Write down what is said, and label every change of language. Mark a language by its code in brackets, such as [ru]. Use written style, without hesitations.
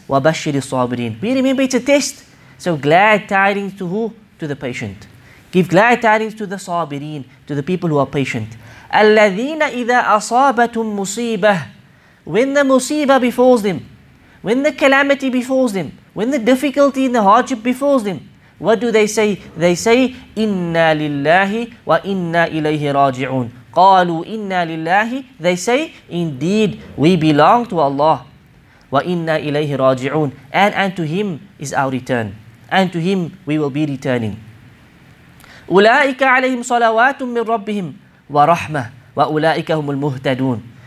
[ar] وَبَشِّرِ الصَّابِرِينَ. [en] We remember it's a test. So glad tidings to who? To the patient. Give glad tidings to the صابرين, to the people who are patient. [ar] الَّذِينَ إِذَا أَصَابَتُمْ مُصِيبَةٌ. [en] When the musibah befalls them, when the calamity befalls them, when the difficulty and the hardship befalls them, what do they say? They say, [ar] إِنَّا لِلَّهِ وَإِنَّا إِلَيْهِ رَاجِعُونَ. قَالُوا إِنَّا لِلَّهِ. [en] They say, indeed, we belong to Allah. [ar] وَإِنَّا إِلَيْهِ رَاجِعُونَ. [en] And to Him is our return. And to Him we will be returning. [ar] أُولَٰئِكَ عَلَيْهِمْ صَلَوَاتٌ مِّنْ رَبِّهِمْ وَرَحْمَةٌ وَأُولَٰئِكَ هُمُ الْمُهْتَدُونَ.